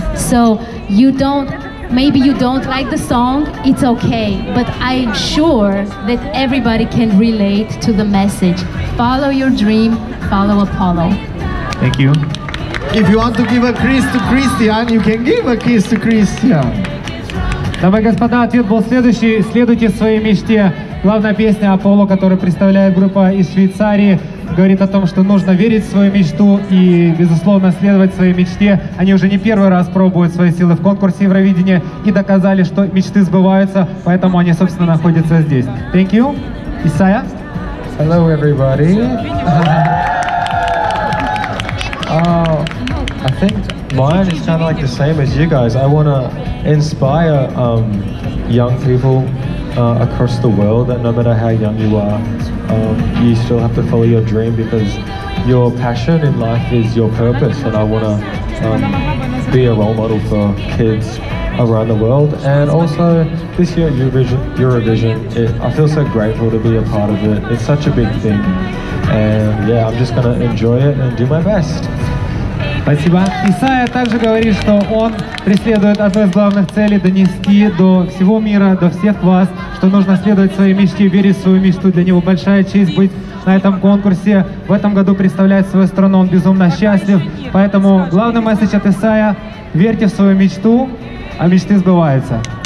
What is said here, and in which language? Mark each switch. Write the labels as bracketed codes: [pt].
[en] So you don't, maybe you don't like the song, it's okay. But I'm sure that everybody can relate to the message. Follow your dream, follow Apollo. Thank you. If you want to give a kiss to Christian, you can give a kiss to Christian. [ru] Давай, господа, ответ был следующий. Следуйте своей мечте. Главная песня Apollo, которую представляет группа из Швейцарии, говорит о том, что нужно верить в свою мечту и, безусловно, следовать своей мечте. Они уже не первый раз пробуют свои силы в конкурсе Евровидения и доказали, что мечты сбываются, поэтому они, собственно, находятся здесь. [en] Thank you. Исайя? Hello, everybody. I think mine is kind of like the same as you guys. I want to inspire young people across the world that no matter how young you are, you still have to follow your dream because your passion in life is your purpose, and I want to be a role model for kids around the world. And also this year at Eurovision, I feel so grateful to be a part of it. It's such a big thing, and yeah, I'm just gonna enjoy it and do my best. [ru] Спасибо. Исайя также говорит, что он преследует одну из главных целей – донести до всего мира, до всех вас, что нужно следовать своей мечте, верить в свою мечту. Для него большая честь быть на этом конкурсе. В этом году представляет свою страну, он безумно счастлив. Поэтому главный месседж от Исайя – верьте в свою мечту, а мечты сбываются.